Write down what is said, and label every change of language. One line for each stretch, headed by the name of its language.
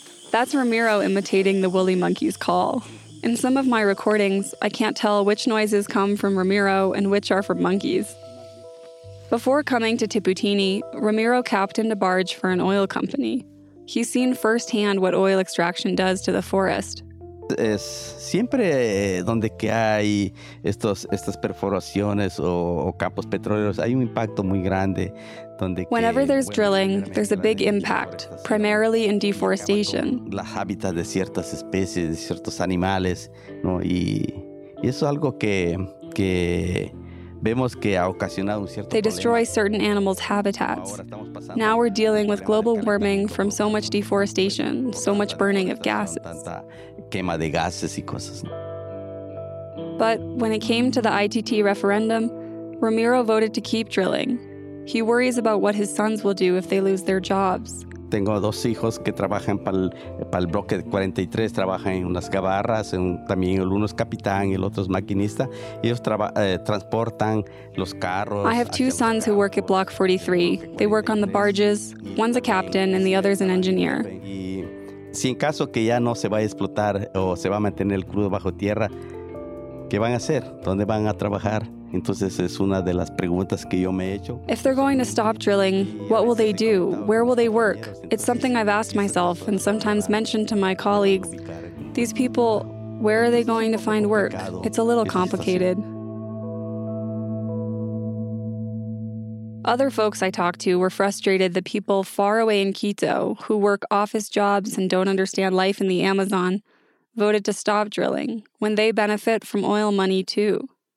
English: That's Ramiro imitating the woolly monkey's call. In some of my recordings, I can't tell which noises come from Ramiro and which are from monkeys. Before coming to Tiputini, Ramiro captained a barge for an oil company. He's seen firsthand what oil extraction does to the forest.
Spanish: Es siempre donde que hay estas perforaciones o campos petroleros, hay un impacto muy grande.
English: Whenever there's drilling, there's a big impact, primarily in deforestation.
Spanish: La hábitat de ciertas especies, de ciertos animales, ¿no? Y eso es algo que vemos que ha ocasionado un cierto.
English: They destroy certain animals' habitats. Now we're dealing with global warming from so much deforestation, so much burning of gases.
Spanish: Tanta quema de gases y cosas.
English: But when it came to the ITT referendum, Ramiro voted to keep drilling. He worries about what his sons will do if they lose their jobs.
Spanish: Tengo dos hijos que trabajan para el bloque 43, trabajan en unas gabarras, también el uno es capitán y el otro es maquinista. Ellos transportan los carros.
English: I have two sons who work at Block 43. They work on the barges. One's a captain and the other's an engineer.
Spanish: Y si en caso que ya no se va a explotar o se va a mantener el crudo bajo tierra, ¿qué van a hacer? ¿Dónde van a trabajar? Entonces es una de las preguntas que yo me he hecho.
English: If they're going to stop drilling, what will they do? Where will they work? It's something I've asked myself and sometimes mentioned to my colleagues. These people, where are they going to find work? It's a little complicated. Other folks I talked to were frustrated that people far away in Quito, who work office jobs and don't understand life in the Amazon, voted to stop drilling when they benefit from oil money too.